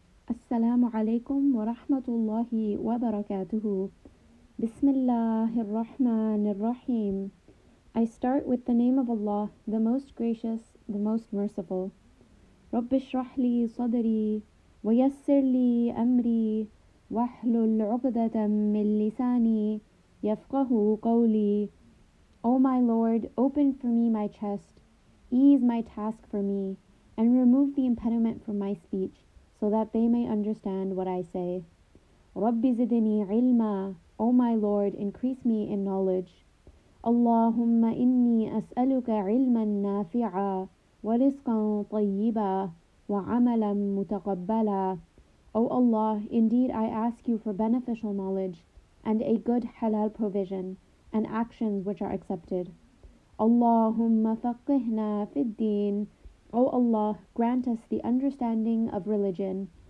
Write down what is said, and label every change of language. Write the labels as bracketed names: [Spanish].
[Arabic] السلام عليكم ورحمة الله وبركاته. بسم الله الرحمن الرحيم. [English] I start with the name of Allah, the most gracious, the most merciful. [Arabic] رب اشرح لي صدري ويسر لي أمري واحلل عقدة من لساني يفقه قولي. [English] O my Lord, open for me my chest, ease my task for me, and remove the impediment from my speech, so that they may understand what I say. [Arabic] رَبِّ زِدْنِي عِلْمًا. [English] O my Lord, increase me in knowledge. [Arabic] اللهم إني أسألك علما نافعا ورزقا طيبا وعملا متقبلا. [English] O Allah, indeed I ask you for beneficial knowledge and a good halal provision and actions which are accepted. [Arabic] اللهم فقهنا في الدين. [English] O Allah, grant us the understanding of religion.